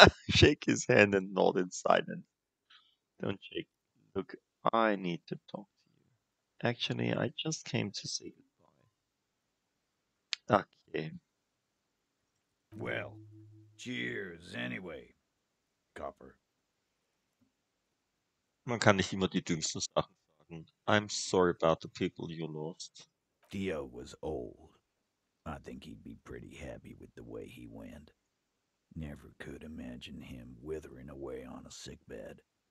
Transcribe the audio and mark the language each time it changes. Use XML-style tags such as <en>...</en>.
<en>Shake his hand and nod in silence. Don't shake. Look, I need to talk to you. Actually, I just came to say goodbye. Okay. Well, cheers anyway, Copper.</en> <de>Man kann nicht immer die dümmsten Sachen sagen.</de> <en>I'm sorry about the people you lost. Dio was old. I think he'd be pretty happy with the way he went. Never could imagine him withering away on a sickbed.</en>